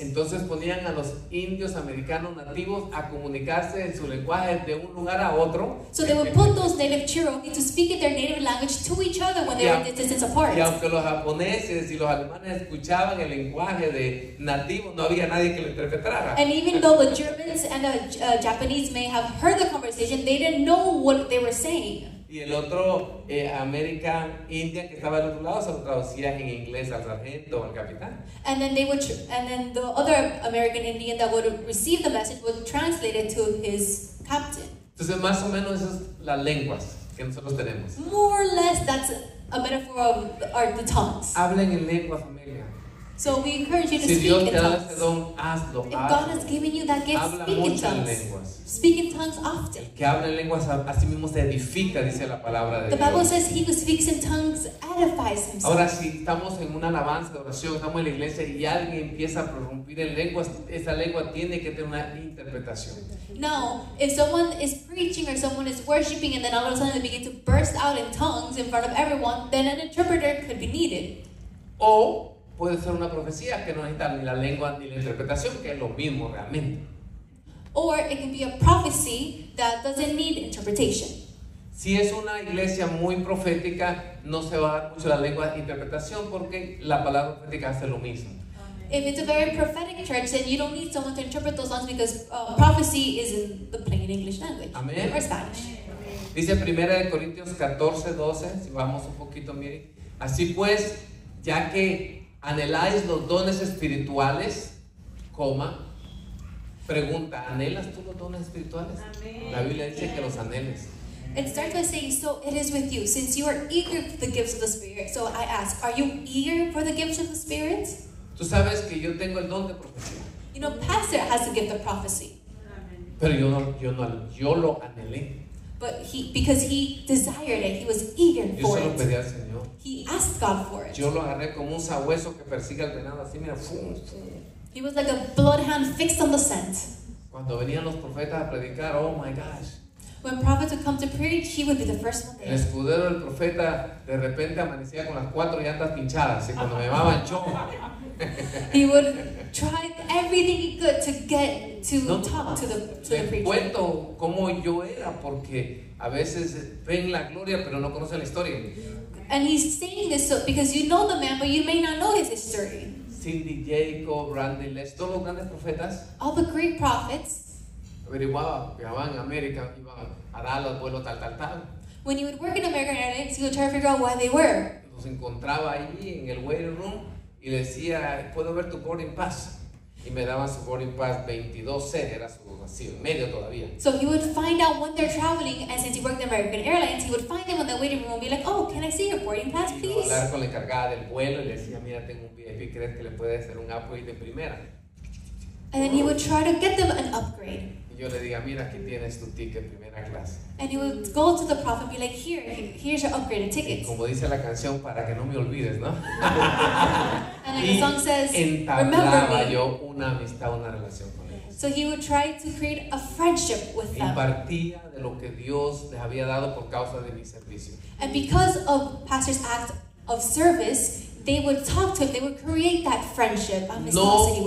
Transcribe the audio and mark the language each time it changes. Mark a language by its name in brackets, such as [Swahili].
[Spanish] Entonces ponían a los indios americanos nativos a comunicarse en su lenguaje de un lugar a otro. [English] So they would put those native Cherokee to speak in their native language to each other when they were in the distance apart. [Spanish] Y aunque los japoneses y los alemanes escuchaban el lenguaje de nativos, no había nadie que lo interpretara. [English] And even though the Germans and the Japanese may have heard the conversation, they didn't know what they were saying. [Spanish] Y el otro [English] American Indian [Spanish] que estaba al otro lado se lo traducía en inglés al sargento o al capitán. [English] And then the other American Indian that would receive the message would translate it to his captain. [Spanish] Entonces más o menos esas las lenguas que nosotros tenemos. [English] More or less that's a metaphor of the tongues. [Spanish] Hablen en lengua, familia. [English] So we encourage you to [Spanish] si [English] speak [Spanish] Dios [English] in tongues. [Spanish] Te da ese don, hazlo. [English] If God has given you that gift, speak in tongues. [Spanish] Lenguas. [English] Speak in tongues often. [Spanish] El que habla en lenguas a sí mismo se edifica, dice la palabra de [English] the [Spanish] Dios. [English] The Bible says he who speaks in tongues edifies himself. [Spanish] Ahora si estamos en una alabanza de oración, estamos en la iglesia y alguien empieza a prorrumpir en lenguas, esa lengua tiene que tener una interpretación. [English] Now, if someone is preaching or someone is worshiping and then all of a sudden they begin to burst out in tongues in front of everyone, then an interpreter could be needed. [Spanish] O puede ser una profecía que no necesita ni la lengua ni la interpretación, que es lo mismo realmente. [English] Or it can be a prophecy that doesn't need interpretation. [Spanish] Si es una iglesia muy profética, no se va a dar mucho la lengua de interpretación porque la palabra profética hace lo mismo. [English] If it's a very prophetic church, then you don't need someone to interpret those lines because prophecy is in the plain English language. [Spanish] Amén. [English] Or Spanish. [Spanish] Dice 1 Corintios 14, 12, si vamos un poquito, mire. Así pues, ya que anheláis los dones espirituales, coma, pregunta, ¿anhelas tú los dones espirituales? Amén. La Biblia dice que los anheles. [English] It starts by saying, so it is with you, since you are eager for the gifts of the Spirit. So I ask, are you eager for the gifts of the Spirit? [Spanish] Tú sabes que yo tengo el don de profecía. [English] You know, pastor has the gift of prophecy. [Spanish] Pero yo lo anhelé. [English] But because he desired it, he was eager [Spanish] yo [English] for it. [Spanish] Yo solo pedí al Señor. [English] He asked God for it. [Spanish] Yo lo agarré como un sabueso que persigue al venado, así mira, fum. [English] He was like a bloodhound fixed on the scent. [Spanish] Cuando venían los profetas a predicar, [English] oh my gosh. When prophets would come to preach, he would be the first one there. [Spanish] El escudero del profeta de repente amanecía con las cuatro llantas pinchadas y cuando me llamaban yo. [English] He would try everything he could to get to no, talk to the preacher. [Spanish] Le cuento cómo yo era porque a veces ven la gloria pero no conocen la historia. [English] And he's saying this so because you know the man but you may not know his history. [Spanish] Cindy Jacob, Randy Les, todos los grandes profetas. [English] All the great prophets. [Spanish] Averiguaba, viajaba en América, iba a Dallas, vuelo tal, tal, tal. [English] When he would work in American Airlines, he would try to figure out why they were. [Spanish] Los encontraba ahí en el [English] waiting room [Spanish] y decía, ¿puedo ver tu boarding pass? Y me daban su boarding pass 22C, era su así, en medio todavía. [English] So he would find out when they're traveling, and since he worked in American Airlines, he would find them in the waiting room and be like, oh, can I see your boarding pass, please? [Spanish] Y iba a hablar con la encargada del vuelo y le decía, mira, tengo un VIP, ¿crees que le puede hacer un upgrade de primera? [English] And then he would try to get them an upgrade. [Spanish] Y yo le diga, mira, aquí tienes tu ticket primera clase. [English] And he would go to the prophet and be like, here's your upgraded tickets. [Spanish] Y como dice la canción, para que no me olvides, ¿no? [English] And like the song says, [Spanish] entablaba yo una amistad, una relación con ellos. [English] So he would try to create a friendship with them. [Spanish] Impartía de lo que Dios les había dado por causa de mi servicio. [English] And because of pastor's act of service, they would talk to him, they would create that friendship, amistosity